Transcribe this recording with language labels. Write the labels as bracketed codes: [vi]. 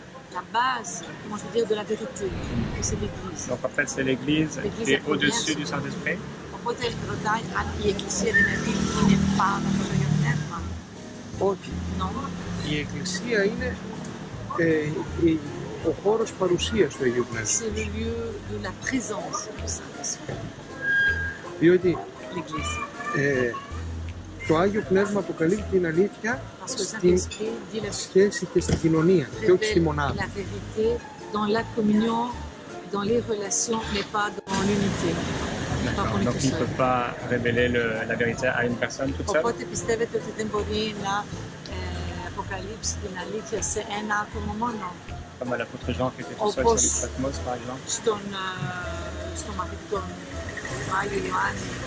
[fr] La base, comment je veux dire, de la vérité, c'est l'Église. Donc en fait, c'est l'Église qui est au-dessus du Saint-Esprit. On peut dire que le Dieu a dit l'Église de la ville qui n'est pas dans le royaume de l'Église. Ok. Non. L'Église est le [el] χώρο παρουσίας του Αγίου Πνεύματος. [fr] C'est le lieu de la présence du Saint-Esprit. [el] Διότι. [fr] L'Église. [el] Το Άγιο Πνεύμα αποκαλύπτει την αλήθεια στην σχέση και στην κοινωνία και όχι στη μονάδα. [fr] Dans la communion, dans les relations, mais pas dans l'unité. Donc on ne peut pas révéler la vérité à une personne toute seule. [el] Οπότε πιστεύετε ότι δεν μπορεί να αποκαλύψει την αλήθεια σε ένα άτομο μόνο. [fr] Comme à l'apôtre Jean qui était tout seul sur l'île Patmos, par exemple. [el] Στον μαθητή του Άγιου Ιωάννη.